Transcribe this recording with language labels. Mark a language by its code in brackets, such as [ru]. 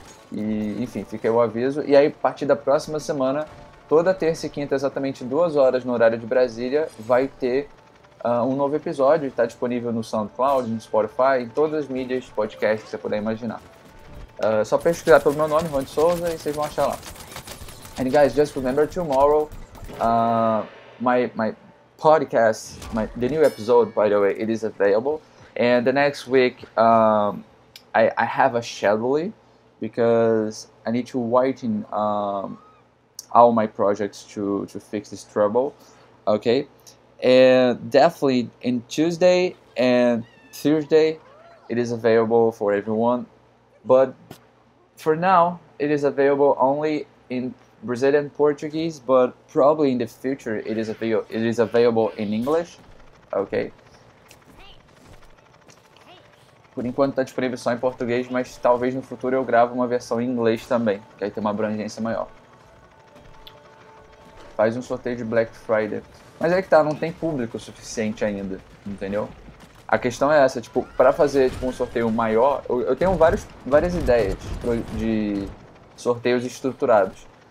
[pt] E enfim, fica aí o aviso. E aí, a partir da próxima semana, toda terça e quinta, exatamente 2 horas no horário de Brasília, vai ter um novo episódio. Está disponível no SoundCloud, no Spotify, em todas as mídias de podcast que você puder imaginar. Só pesquisar pelo meu nome, Ronald Souza, e vocês vão achar lá. [en] And guys, just remember tomorrow, my podcast, the new episode, by the way, it is available. And the next week, I have a schedule because I need to whiten all my projects to fix this trouble. Okay, and definitely in Tuesday and Thursday, it is available for everyone. But for now, it is available only in Brazilian Portuguese, but probably in the future it is available in English, ok? [pt] Por enquanto está disponível só em português, mas talvez no futuro eu grave uma versão em inglês também, que aí tem uma abrangência maior. Faz um sorteio de Black Friday. Mas é que tá, não tem público suficiente ainda, entendeu? A questão é essa, tipo, para fazer tipo, um sorteio maior, eu tenho várias ideias de sorteios estruturados.